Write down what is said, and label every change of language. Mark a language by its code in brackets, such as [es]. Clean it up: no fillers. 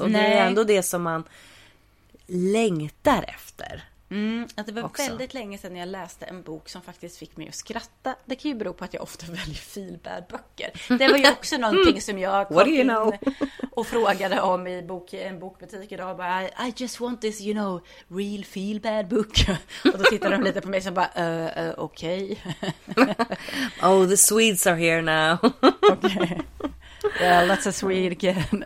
[sv] Och det är ändå det som man längtar efter. Mm, att det var också väldigt länge sedan jag läste en bok som faktiskt fick mig att skratta. Det kan ju bero på att jag ofta väljer feel bad böcker. Det var ju också någonting som jag kom in och frågade om i en bokbutik idag. [en] Bara, I just want this, you know, real feel bad book. [sv] Och då tittade de lite på mig som bara, okej. [en] Okay. Oh, the Swedes are here now. Okay. Well, that's a Swede again.